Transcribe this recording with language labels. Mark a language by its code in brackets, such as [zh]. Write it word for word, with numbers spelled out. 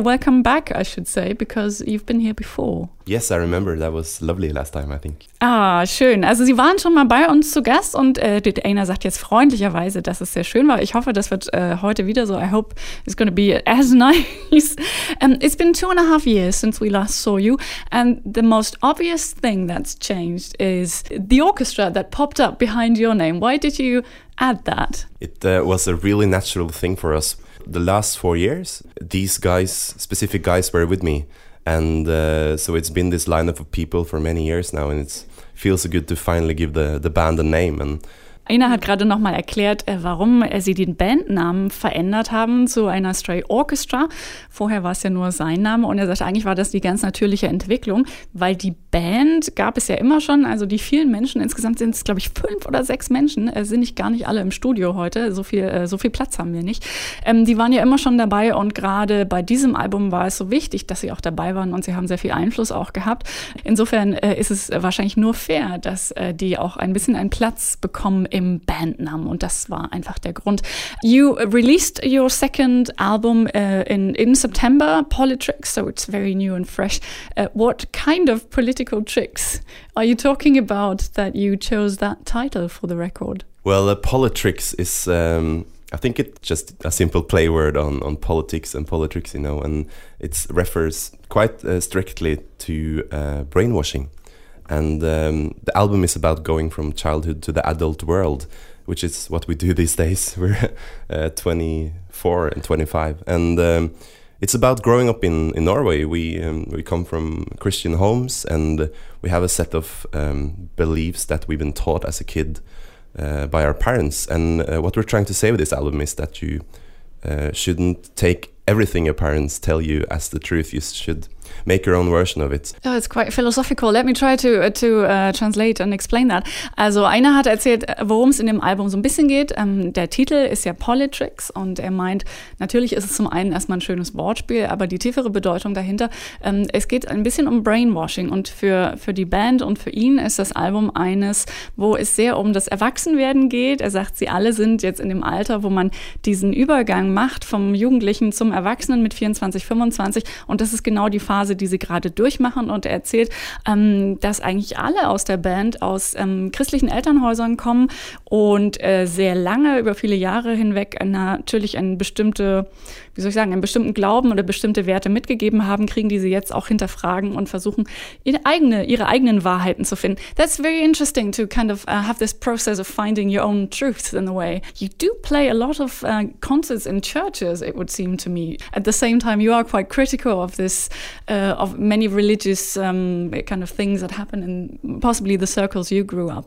[en] Welcome back, I should say, because you've been here before. Yes, I remember. That was lovely last time, I think. [de] Ah, schön. Also Sie waren schon mal bei uns zu Gast und äh, Einar sagt jetzt freundlicherweise, dass es sehr schön war. Ich hoffe, das wird äh, heute wieder so. [en] I hope it's going to be as nice. um, it's been two and a half years since we last saw you. And the most obvious thing that's changed is the orchestra that popped up behind your name. Why did you add that? It uh, was a really natural thing for us. The last four years, these guys, specific guys, were with me. And uh, so it's been this lineup of people for many years now, and it feels so good to finally give the, the band a name. And [de] Einar hat gerade nochmal erklärt, warum sie den Bandnamen verändert haben zu Einar Stray Orchestra. Vorher war es ja nur sein Name und er sagt, eigentlich war das die ganz natürliche Entwicklung, weil die Band gab es ja immer schon, also die vielen Menschen, insgesamt sind es glaube ich fünf oder sechs Menschen, sind nicht gar nicht alle im Studio heute, so viel, so viel Platz haben wir nicht. Ähm, die waren ja immer schon dabei und gerade bei diesem Album war es so wichtig, dass sie auch dabei waren und sie haben sehr viel Einfluss auch gehabt. Insofern äh, ist es wahrscheinlich nur fair, dass äh, die auch ein bisschen einen Platz bekommen im Bandnamen und das war einfach der Grund. [en] You released your second album uh, in in September, Politricks, so it's very new and fresh. Uh, what kind of political tricks are you talking about that you chose that title for the record? Well, uh, Politricks is, um, I think it's just a simple play word on, on politics and politics, you know, and it refers quite uh, strictly to uh, brainwashing. And um, the album is about going from childhood to the adult world, which is what we do these days. We're uh, twenty-four and twenty-five. And um, it's about growing up in, in Norway. We um, we come from Christian homes and we have a set of um, beliefs that we've been taught as a kid uh, by our parents. And uh, what we're trying to say with this album is that you uh, shouldn't take everything your parents tell you as the truth. You should make your own version of it. Oh, it's quite philosophical. Let me try to uh, to uh, translate and explain that. [de] Also Einar hat erzählt, worum es in dem Album so ein bisschen geht. Ähm, der Titel ist ja Politricks und er meint, natürlich ist es zum einen erstmal ein schönes Wortspiel, aber die tiefere Bedeutung dahinter, ähm, es geht ein bisschen um Brainwashing und für, für die Band und für ihn ist das Album eines, wo es sehr um das Erwachsenwerden geht. Er sagt, sie alle sind jetzt in dem Alter, wo man diesen Übergang macht vom Jugendlichen zum Erwachsenen mit vierundzwanzig, fünfundzwanzig und das ist genau die Phase, die sie gerade durchmachen und er erzählt, ähm, dass eigentlich alle aus der Band aus ähm, christlichen Elternhäusern kommen und äh, sehr lange, über viele Jahre hinweg äh, natürlich eine bestimmte, wie soll ich sagen, einen bestimmten Glauben oder bestimmte Werte mitgegeben haben, kriegen die sie jetzt auch hinterfragen und versuchen, ihre, eigene, ihre eigenen Wahrheiten zu finden. [en] That's very interesting to kind of uh, have this process of finding your own truths in a way. You do play a lot of uh, concerts in churches, it would seem to me. At the same time, you are quite critical of this Uh, of many religious um, kind of things that happen in possibly the circles you grew up.